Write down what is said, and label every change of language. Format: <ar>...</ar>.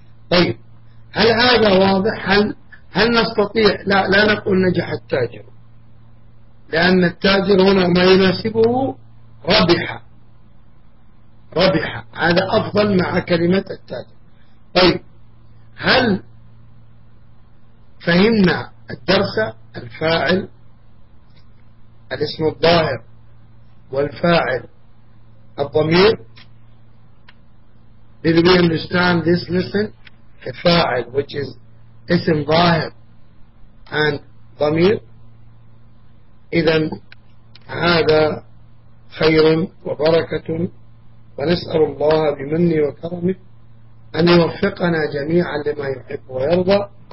<ar>طيب هل هذا واضح؟ هل نستطيع؟ لا نقول نجح التاجر لأن التاجر هنا ما يناسبه ربح هذا أفضل مع كلمة التاجر. طيب هل فهمنا الدرس؟ الفاعل الاسم الظاهر والفاعل الضمير.</ar> <en>Did we understand this lesson?</en> <ar>الفاعل</ar> <en>which is</en> <ar>اسم ظاهر and ضمير. إذن هذا خير وبركة ونسأل الله بمنه وكرمه أن يوفقنا جميعا لما يحب ويرضى.</ar>